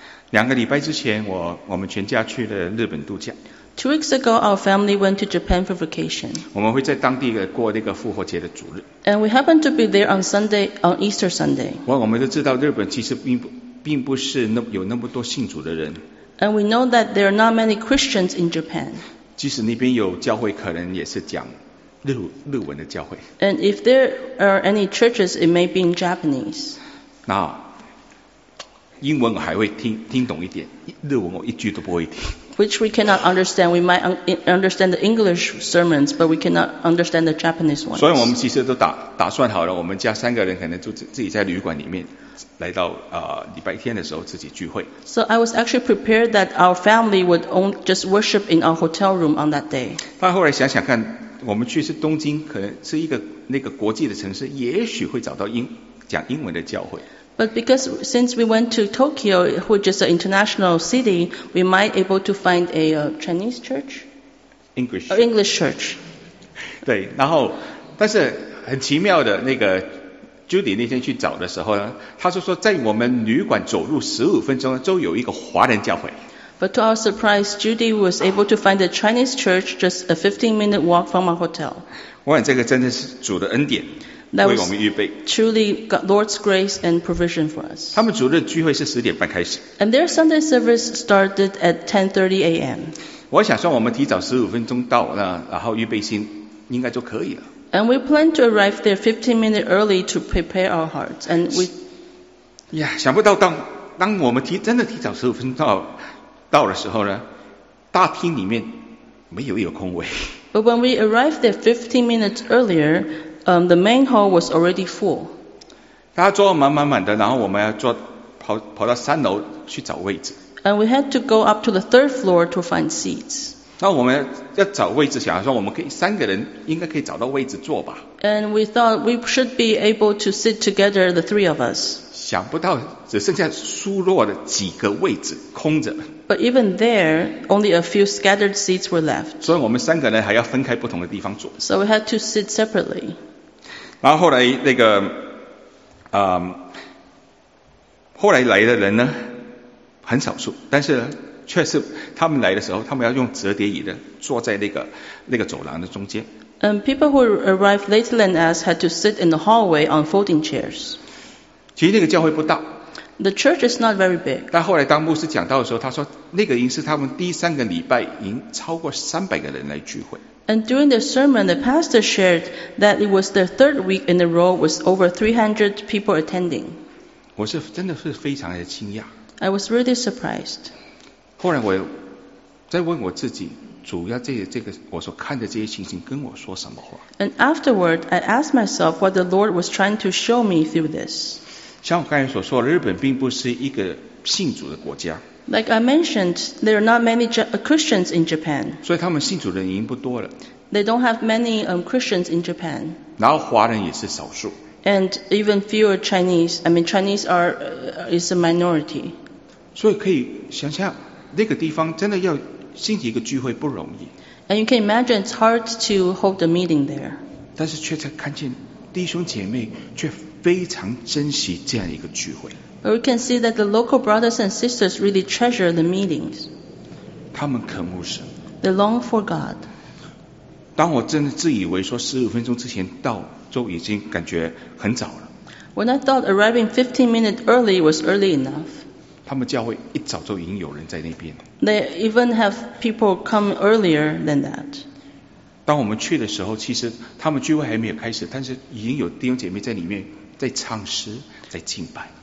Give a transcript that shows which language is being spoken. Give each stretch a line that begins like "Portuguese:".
Chinese: 两个礼拜之前，我们全家去了日本度假。
English: Two weeks ago, our family went to Japan for vacation.
Chinese: 我们会在当地过那个复活节的主日。
English: And we happened to be there on Sunday, on Easter Sunday.
Chinese: 我们都知道日本其实并不是有那么多信主的人。
English: And we know that there are not many Christians in Japan.
Chinese: 即使那边有教会，可能也是讲日文的教会。
English: And if there are any churches, it may be in Japanese.
Chinese: 那英文我还会听懂一点，日文我一句都不会听。
English: Which we cannot understand. We might understand the English sermons, but we cannot understand the Japanese ones.
Chinese: 所以我们其实都打算好了，我们家三个人可能就自己在旅馆里面，来到礼拜天的时候自己聚会。
English: So I was actually prepared that our family would only just worship in our hotel room on that day.
Chinese: 但后来想想看，我们去是东京，可能是一个那个国际的城市，也许会找到讲英文的教会。
English: But because since we went to Tokyo, which is an international city, we might be able to find a Chinese church? English. Or English church.
Chinese: 对，然后，但是很奇妙的，那个 Judy 那天去找的时候呢，她就说在我们旅馆走路15分钟就有一个华人教会。
English: But to our surprise, Judy was able to find a Chinese church just a 15-minute walk from our hotel.
Chinese: 我想这个真的是主的恩典。
English: That was truly Lord's grace and provision for us.
Chinese: 他们主日聚会是10点半开始。
English: And their Sunday service started at 10:30 a.m.
Chinese: 我想说我们提早15分钟到那，然后预备心应该就可以了。
English: And we plan to arrive there 15 minutes early to prepare our hearts. And we,
Chinese: yeah, 想不到当我们真的提早15分钟到的时候呢，大厅里面没有一个空位。
English: But when we arrived there 15 minutes earlier,the main hall was already full.
Chinese: 大家坐满满满的，然后我们要跑到三楼去找位置。
English: And we had to go up to the third floor to find seats.
Chinese: 那我们要找位置，想说我们可以三个人应该可以找到位置坐吧。
English: And we thought we should be able to sit together, the three of us.
Chinese: 想不到只剩下疏落的几个位置空着。
English: But even there, only a few scattered seats were left.
Chinese: 所以我们三个人还要分开不同的地方坐。
English: So we had to sit separately.
Chinese: 然后后来那个，后来来的人呢，很少数，但是确实他们来的时候，他们要用折叠椅的坐在那个走廊的中间。
English: And people who arrived later than us had to sit in the hallway on folding chairs.
Chinese: 其实那个教会不大。
English: The church is not very big.
Chinese: 但后来当牧师讲到的时候，他说那个营是他们第三个礼拜营超过300个人来聚会。
English: And during the sermon, the pastor shared that it was the third week in a row with over 300 people attending.
Chinese: 我是真的是非常的惊讶。
English: I was really surprised.
Chinese: 后来我在问我自己，主要这个我所看的这些情形跟我说什么话。
English: And afterward, I asked myself what the Lord was trying to show me through this.
Chinese: 像我刚才所说，日本并不是一个信主的国家。
English: Like I mentioned, there are not many Christians in Japan.
Chinese: 所以他们信主的人已经不多了。
English: They don't have many Christians in Japan.
Chinese: 然后华人也是少数。
English: And even fewer Chinese. I mean, Chinese are is a minority.
Chinese: 所以可以想象，那个地方真的要兴起一个聚会不容易。
English: And you can imagine it's hard to hold a meeting there.
Chinese: 但是却在看见弟兄姐妹却非常珍惜这样一个聚会。
English: But we can see that the local brothers and sisters really treasure the meetings.
Chinese: 他们渴慕神。
English: They long for God.
Chinese: 当我真的自以为说十五分钟之前到就已经感觉很早了。
English: When I thought arriving 15 minutes early was early enough.
Chinese: 他们教会一早就已经有人在那边。
English: They even have people come earlier than that.
Chinese: 当我们去的时候，其实他们聚会还没有开始，但是已经有弟兄姐妹在里面在唱诗，在敬拜。